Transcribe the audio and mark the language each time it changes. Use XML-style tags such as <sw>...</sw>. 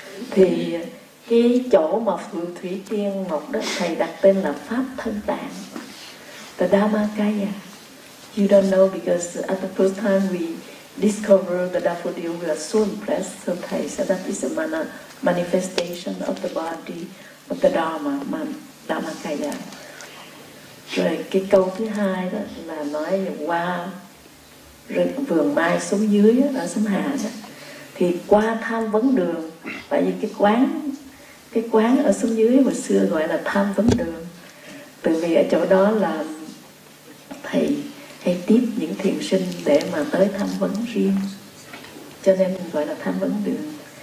<vi>Thì cái chỗ mà Phượng Thủy Tiên Ngọc đó, thầy đặt tên là Pháp Thân Tạng, the Dhammakaya.</vi> <en>You don't know because at the first time we discovered the daffodil, we are so impressed. So thầy said that is a manifestation of the body of the Dharma, Dhammakaya.</en> <vi>Rồi cái câu thứ hai đó là nói qua vườn mai xuống dưới đó, ở sông Hà đó, thì qua tham vấn đường, tại vì cái quán ở xuống dưới hồi xưa gọi là tham vấn đường, từ vì ở chỗ đó là thầy hay tiếp những thiền sinh để mà tới tham vấn riêng, cho nên mình gọi là tham vấn đường.</vi>